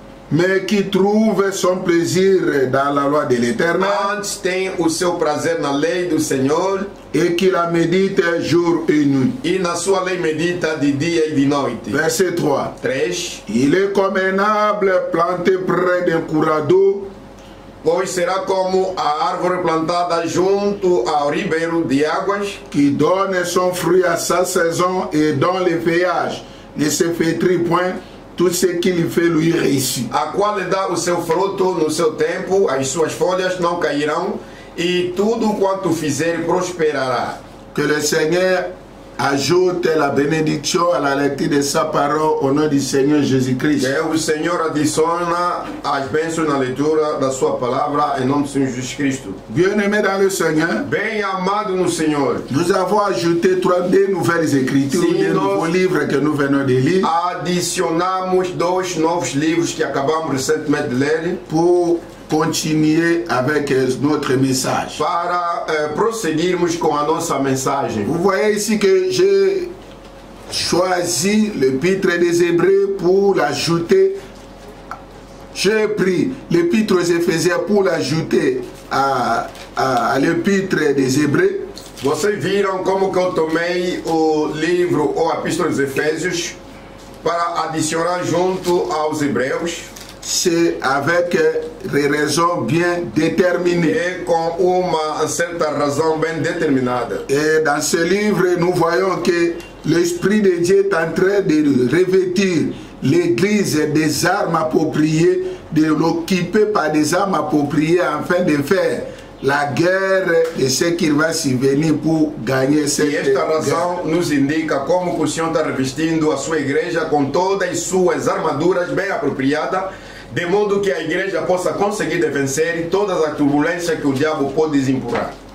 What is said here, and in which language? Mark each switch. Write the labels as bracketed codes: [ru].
[fr] Mas que trouve son plaisir dans la loi de l'Éternel. [pt] Antes tem o seu prazer na lei do Senhor. [fr] E que la medita jour et nuit. [pt] E na sua lei medita de dia e de noite. [fr] Verset 3. Il est comme un arbre planté près d'un courant d'eau. [pt] Pois será como a árvore plantada junto ao ribeiro de águas, [fr] que donne son fruit à sa saison et dans le feuillage ne se flétrit point, tout ce qu'il fait lui réussit. [pt] A qual dá o seu fruto no seu tempo, as suas folhas não cairão, e tudo quanto fizer prosperará. [fr] Que le Seigneur ajoute la bénédiction à la lecture de sa parole au nom du Seigneur Jésus-Christ. [pt] Que o Senhor adicione as bênçãos na leitura da sua palavra em nome do Senhor Jesus Cristo. [fr] Bien-aimé dans le Seigneur. [pt] Bem amado no Senhor. [fr] Nous avons ajouté deux nouvelles écritures, deux nouveaux livres que nous venons de lire. [pt] Adicionamos dois novos livros que acabamos recentemente de ler. [fr] Pour continuer avec notre message. [pt] Para prosseguirmos com a nossa mensagem. [fr] Vous voyez ici que j'ai choisi l'épître des Hébreux pour l'ajouter. J'ai pris l'épître aux Éphésiens pour l'ajouter à l'épître des Hébreux. [pt] Vocês viram como que eu tomei o livro ou a epístola aos Efésios para adicionar junto aos Hebreus. [fr] C'est avec des raisons bien déterminées. [pt] Et com uma certa razão bem determinada. [fr] Et dans ce livre, nous voyons que l'Esprit de Dieu est en train de revêtir l'Église des armes appropriées, de l'occuper par des armes appropriées afin de faire la guerre de ce qui va s'y venir pour gagner cette guerre. [pt] E esta razão nos indica como que o Senhor está revestindo a sua igreja com todas as suas armaduras bem apropriadas, de modo que a igreja possa conseguir vencer todas as turbulências que o diabo pode desempurrar.